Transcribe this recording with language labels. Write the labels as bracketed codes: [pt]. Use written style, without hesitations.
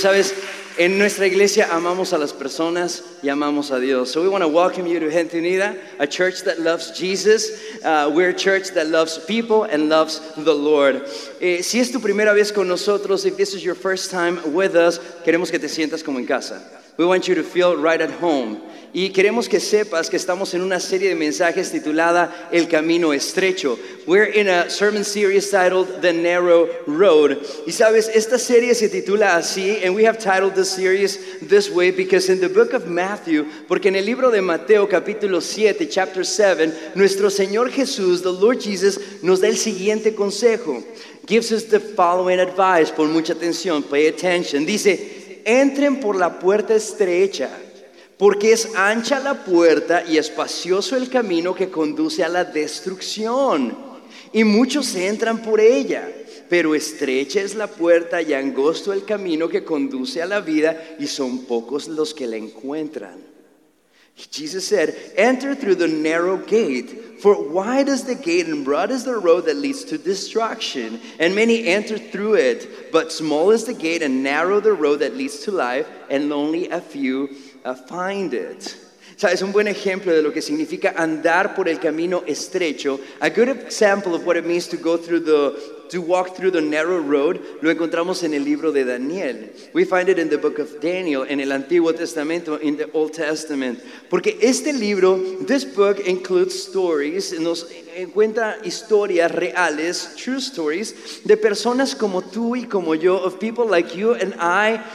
[es] Sabes, en nuestra iglesia amamos a las personas y amamos a Dios. [en] So we want to welcome you to Gente Unida, a church that loves Jesus. We're a church that loves people and loves the Lord. [es] Si es tu primera vez con nosotros, [en] if this is your first time with us, [es] queremos que te sientas como en casa. [en] We want you to feel right at home. [es] Y queremos que sepas que estamos en una serie de mensajes titulada El Camino Estrecho. [en] We're in a sermon series titled The Narrow Road. [es] Y sabes, esta serie se titula así, [en] and we have titled this series this way because in the book of Matthew, [es] porque en el libro de Mateo, capítulo 7, [en] chapter 7, [es] nuestro Señor Jesús, [en] the Lord Jesus, [es] nos da el siguiente consejo. [en] Gives us the following advice. [es] Pon mucha atención, [en] pay attention. [es] Dice, entren por la puerta estrecha. Porque es ancha la puerta y espacioso el camino que conduce a la destrucción. Y muchos entran por ella, pero estrecha es la puerta y angosto el camino que conduce a la vida y son pocos los que la encuentran. [en] Jesus said, enter through the narrow gate, for wide is the gate and broad is the road that leads to destruction, and many enter through it, but small is the gate and narrow the road that leads to life, and only a few find it. [es] Es un buen ejemplo de lo que significa andar por el camino estrecho. [en] A good example of what it means to go through the to walk through the narrow road [es] lo encontramos en el libro de Daniel. [en] We find it in the book of Daniel, [es] en el Antiguo Testamento, [en] in the Old Testament. [es] Porque este libro, [en] this book includes stories, [es] nos cuenta historias reales, [en] true stories, [es] de personas como tú y como yo, [en] of people like you and I,